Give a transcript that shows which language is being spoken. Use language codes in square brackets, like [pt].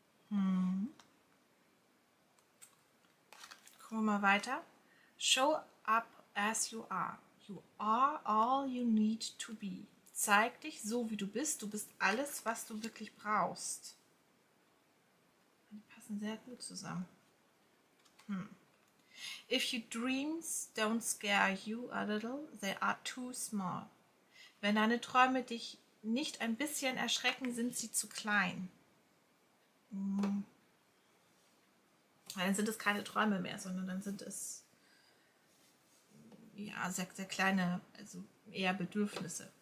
[de] Gucken wir mal weiter. [en] Show up as you are. You are all you need to be. [de] Zeig dich so, wie du bist. Du bist alles, was du wirklich brauchst. Die passen sehr gut zusammen. [en] If your dreams don't scare you a little, they are too small. [de] Wenn deine Träume dich nicht ein bisschen erschrecken, sind sie zu klein. Dann sind es keine Träume mehr, sondern dann sind es ja, sehr, sehr kleine, also eher Bedürfnisse.